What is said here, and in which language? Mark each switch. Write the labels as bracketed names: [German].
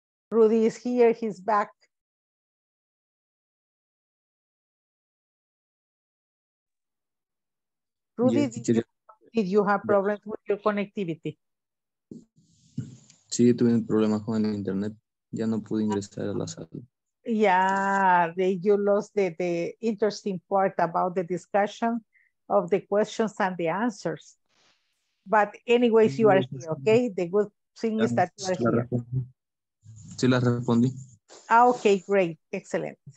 [English] Rudy is here, he's back. Rudy, did you have problems with your connectivity? [Spanish] Sí, tuve un problema con el internet. Ya no pude ingresar a la sala. [English] you lost the interesting part about the discussion of the questions and the answers. But anyways, you are here, okay? The good thing is that you are here. [Spanish] Sí, la respondí. [English] Ah, okay, great, excellent.